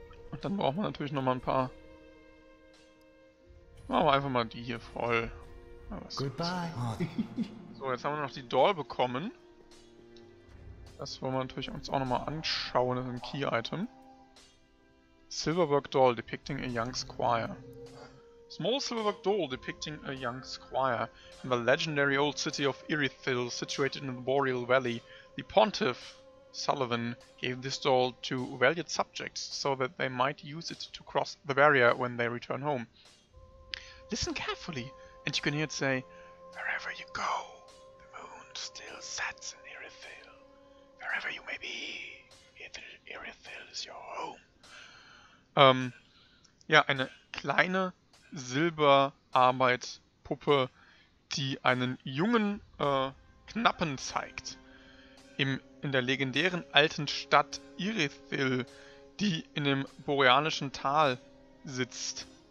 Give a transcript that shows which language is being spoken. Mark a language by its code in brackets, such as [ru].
[de] Und dann brauchen wir natürlich nochmal ein paar. Machen wir einfach mal die hier voll. [en] Goodbye. [de] So, jetzt haben wir noch die Doll bekommen. Das wollen wir natürlich uns auch nochmal anschauen, das ist ein Key-Item. [en] Silverwork Doll depicting a young squire. Small silver doll depicting a young squire in the legendary old city of Irithyll, situated in the Boreal Valley. The pontiff, Sullivan, gave this doll to valued subjects so that they might use it to cross the barrier when they return home. Listen carefully, and you can hear it say, "Wherever you go, the moon still sets in Irithyll. Wherever you may be, Irithyll is your home." [de] Ja, eine kleine Silberarbeitpuppe, die einen jungen Knappen zeigt. In der legendären alten Stadt Irithyll, die in dem boreanischen Tal sitzt.